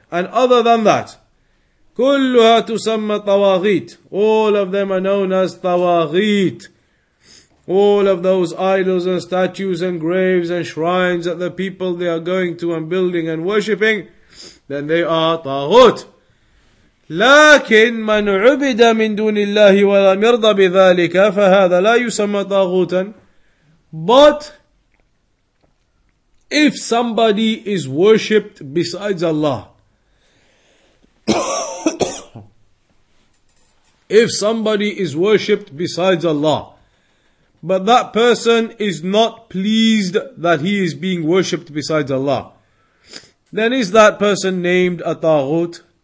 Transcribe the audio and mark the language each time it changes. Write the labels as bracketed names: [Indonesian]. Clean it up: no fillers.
[English] And other than that. [Arabic] Kulluha tusamma tawaghit. [English] All of them are known as tawaghit. All of those idols and statues and graves and shrines that the people they are going to and building and worshipping, then they are taghut. [Arabic] لكن من عبد من دون الله ولم يرضى بذلك فهذا لا يسمى طاغوتا. [English] But if somebody is worshipped besides Allah, if somebody is worshipped besides Allah, but that person is not pleased that he is being worshipped besides Allah, then is that person named a taghut?